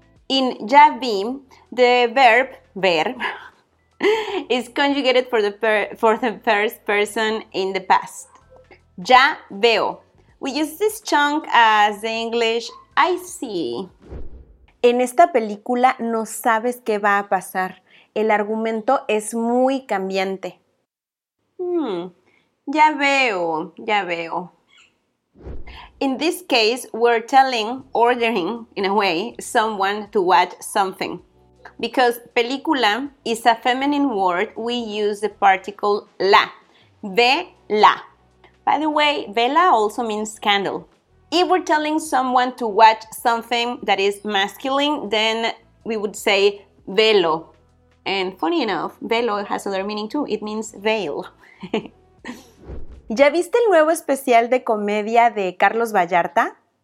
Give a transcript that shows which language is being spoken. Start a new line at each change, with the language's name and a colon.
English: In ya vi, the verb, ver, is conjugated for the first person in the past.
Spanish: Ya veo.
English: We use this chunk as the English, I see.
Spanish: En esta película no sabes qué va a pasar. El argumento es muy cambiante. Ya veo.
English: In this case, we're telling, ordering, in a way, someone to watch something. Because película is a feminine word, we use the particle la. Ve la. By the way, vela also means candle. If we're telling someone to watch something that is masculine, then we would say velo. And funny enough, velo has other meaning too. It means veil.
Spanish: ¿Ya viste el nuevo especial de comedia de Carlos Vallarta?